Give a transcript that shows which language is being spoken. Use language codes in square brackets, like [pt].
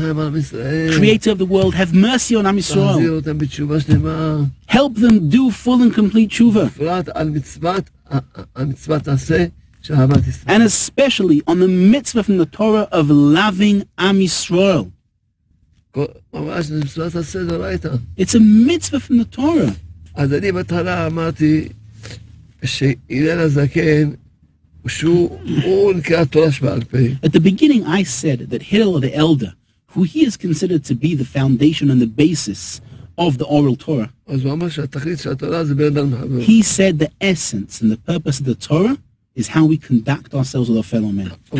[en] Creator of the world, have mercy on Am Yisrael. Help them do full and complete tshuva. And especially on the mitzvah from the Torah of loving Am Yisrael. It's a mitzvah from the Torah. [he] אז אני בתחילה אמרתי שאילן הזקן שהוא נקרא תורה שבעל פה. [en] At the beginning I said that Hillel the elder, who he is considered to be the foundation and the basis of the oral Torah, he said the essence and the purpose of the Torah is how we conduct ourselves with our fellow men.